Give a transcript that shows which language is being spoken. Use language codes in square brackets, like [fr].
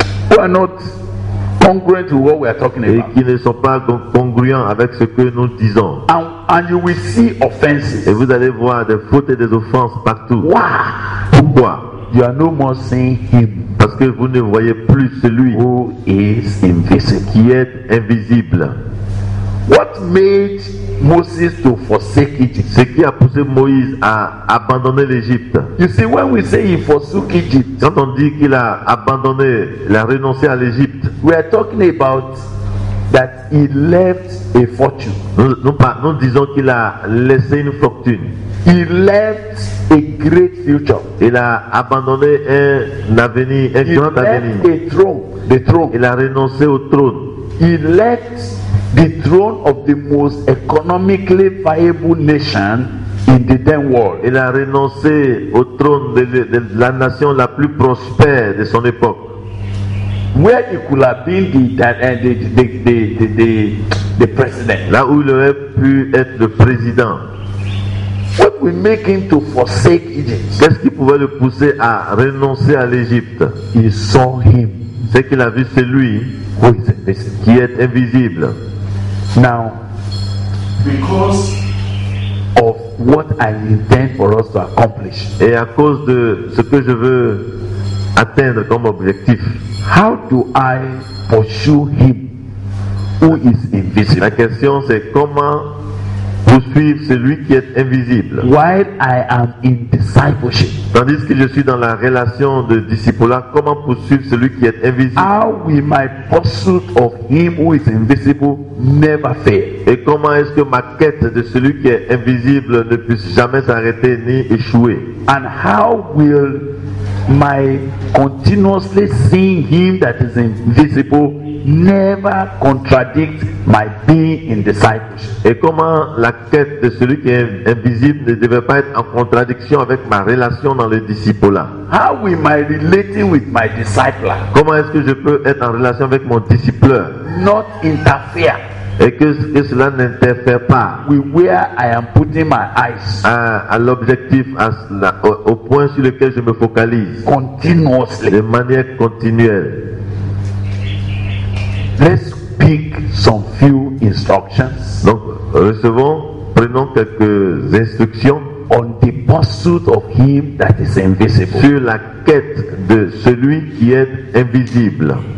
[en] who are not congruent to what we are talking about. [fr] Et qui ne sont pas congruents avec ce que nous disons. [en] And you will see offenses. [fr] Et vous allez voir des fautes et des offenses partout. [en] Wow. [fr] Pourquoi? [en] You are no more seeing him. [fr] Parce que vous ne voyez plus celui [en] who is invisible. [fr] Qui est invisible. [en] What made Moses to forsake Egypt? [fr] Ce qui a poussé Moïse à abandonner l'Égypte. [en] You see, when we say he forsook Egypt, [fr] quand on dit qu'il a abandonné, il a renoncé à l'Égypte, [en] we are talking about that he left a fortune. [fr] Nous disons qu'il a laissé une fortune. [en] He left a great future. [fr] Il a abandonné un avenir, un [en] he [fr] grand [en] left [fr] avenir. [en] A throne, the throne. [fr] Il a renoncé au trône. [en] He left the throne of the most economically viable nation in the then world. [fr] Il a renoncé au trône de la nation la plus prospère de son époque. [en] Where he could have been the president. [fr] Là où il aurait pu être le président. [en] What would make him to forsake Egypt? [fr] Qu'est-ce qui pouvait le pousser à renoncer à l'Égypte? [en] He saw him. [fr] C'est qu'il a vu celui qui est invisible. [en] Now, because of what I intend for us to accomplish. [fr] Et à cause de ce que je veux atteindre comme objectif. [en] How do I pursue him who is invisible? [fr] La question c'est comment poursuivre celui qui est invisible. [en] While I am in discipleship. [fr] Tandis que je suis dans la relation de discipulat, comment poursuivre celui qui est invisible? [en] How will my pursuit of him who is invisible never fail? [fr] Et comment est-ce que ma quête de celui qui est invisible ne puisse jamais s'arrêter ni échouer? [en] And how will my continuously seeing him that is invisible never contradict my being in discipleship? [fr] Et comment la quête de celui qui est invisible ne devait pas être en contradiction avec ma relation dans le discipulat? [en] How will my relating with my discipler? [fr] Comment est-ce que je peux être en relation avec mon discipleur? [en] Not interfere. [fr] Et que cela n'interfère pas [en] with where I am putting my eyes. [fr] À l'objectif, au point sur lequel je me focalise. [en] Continuously. [fr] De manière continuelle. [en] Let's pick some few instructions. [fr] Donc, prenons quelques instructions. [en] On the pursuit of him that is invisible. [fr] Sur la quête de celui qui est invisible.